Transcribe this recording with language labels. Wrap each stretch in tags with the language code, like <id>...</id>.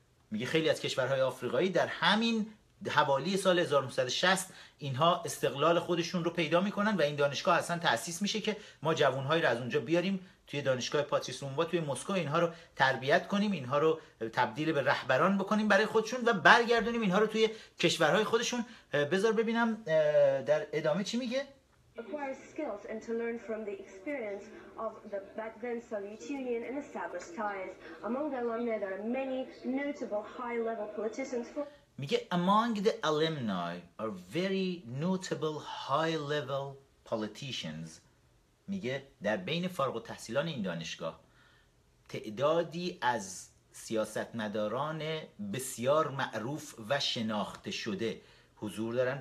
<fa>میگه خیلی از کشورهای آفریقایی در همین حوالی سال 1960 اینها استقلال خودشون رو پیدا میکنن و این دانشگاه اصلا تأسیس میشه که ما جوانهایی رو از اونجا بیاریم توی دانشگاه پاتریس لومونبا توی مسکو، اینها رو تربیت کنیم، اینها رو تبدیل به رهبران بکنیم برای خودشون و برگردونیم اینها رو توی کشورهای خودشون. بذار ببینم در ادامه چی میگه.</fa> <en>acquire skills and to learn from the experience of the back then Soviet Union and established ties. Among the alumni, there are many notable high-level politicians.</en> <fa>میگه</fa> <en>among the alumni are very notable high-level politicians.</en> <fa>میگه در بین فارغ التحصیلان این دانشگاه تعدادی از سیاستمداران بسیار معروف و شناخته شده حضور دارن.</fa>